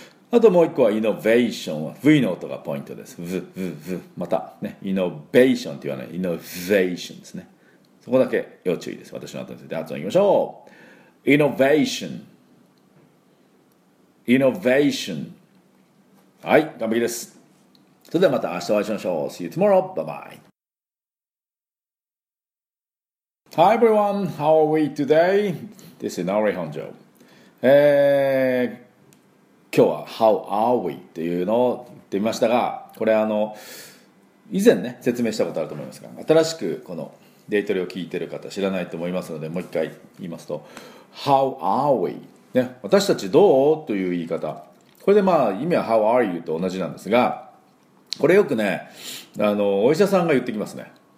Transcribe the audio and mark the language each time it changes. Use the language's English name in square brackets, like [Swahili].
[Japanese] あともう一個はイノベーション、 V の音がポイントです。ズズズ、またね、イノベーションって言わない、イノベーションですね。そこだけ要注意です。私の後について発音いきましょう。イノベーション、イノベーション、はい、完璧です。それではまた明日お会いしましょう。 [English] See you tomorrow, bye bye. Hi everyone, how are we today? This is Nari Honjo. [Japanese] 今日は [English] How are we? [Japanese] っていうのを言ってみましたが、これ以前ね、説明したことあると思いますが、新しくこのデイトレを聞いてる方知らないと思いますので、もう一回言いますと [English] How are we? [Japanese] ね、私たちどうという言い方、これでまあ意味は [English] How are you? [Japanese] と同じなんですが、これよくね、お医者さんが言ってきますね。